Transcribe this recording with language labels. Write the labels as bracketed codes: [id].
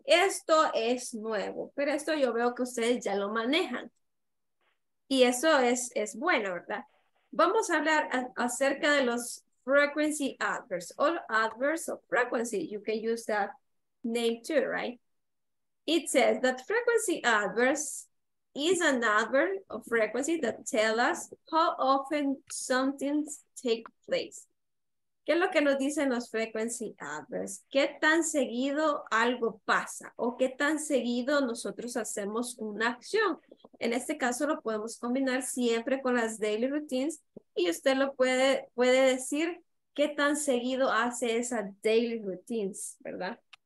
[es] Esto es nuevo, pero esto yo veo que ustedes ya lo manejan. Y eso es bueno, ¿verdad? Vamos a hablar acerca de los frequency adverbs. [en] All adverbs of frequency, you can use that name too, right? It says that frequency adverbs is an adverb of frequency that tells us how often something takes place. [es] ¿Qué es lo que nos dicen los frequency adverbs? ¿Qué tan seguido algo pasa? ¿O qué tan seguido nosotros hacemos una acción? En este caso lo podemos combinar siempre con las daily routines y usted lo puede decir qué tan seguido hace esas daily routines, ¿verdad?